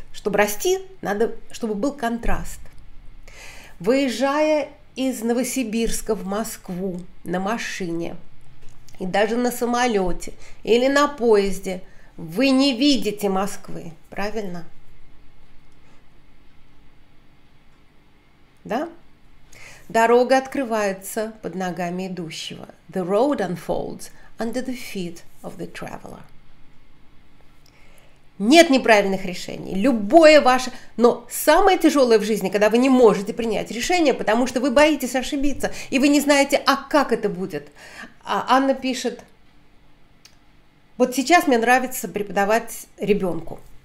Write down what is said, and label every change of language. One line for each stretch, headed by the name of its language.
Russian: Чтобы расти, надо, чтобы был контраст. Выезжая из Новосибирска в Москву на машине, и даже на самолете или на поезде, вы не видите Москвы, правильно? Да? Дорога открывается под ногами идущего.
English: The road unfolds under the feet of the traveler.
Russian: Нет неправильных решений. Любое ваше... Но самое тяжелое в жизни, когда вы не можете принять решение, потому что вы боитесь ошибиться, и вы не знаете, а как это будет. А Анна пишет, вот сейчас мне нравится преподавать ребенку.